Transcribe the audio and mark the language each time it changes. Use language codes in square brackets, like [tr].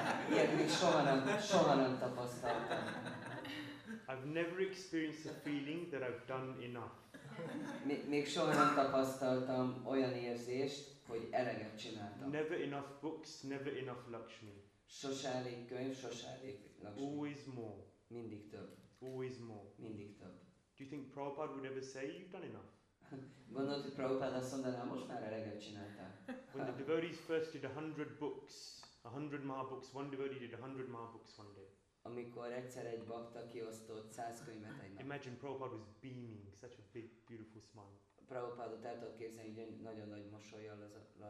[hu] Ilyet még soha nem tapasztaltam. [en] I've never experienced a feeling that I've done enough. [hu] Még soha nem tapasztaltam olyan érzést, hogy eleget csináltam. [en] Never enough books, never enough Lakshmi. [hu] Sose elég könyv, sose elég Lakshmi. [en] Always more. [hu] Mindig több. [en] Always more. [hu] Mindig több. [en] Do you think Prabhupada would ever say you've done enough? [hu] Gondolod, hogy Prabhupád azt mondaná, most már eleget csináltál. [en] When the devotees first did 100 books, 100 maha books, one devotee did 100 maha books one day. [hu] Amikor egyszer egy bakta kiosztott 100 könyvet egy nap. [en] Imagine Prabhupada was beaming, such a big, beautiful smile. [hu] Prabhupádot el tudod képzelni, hogy nagyon nagy mosolyjal az arcán.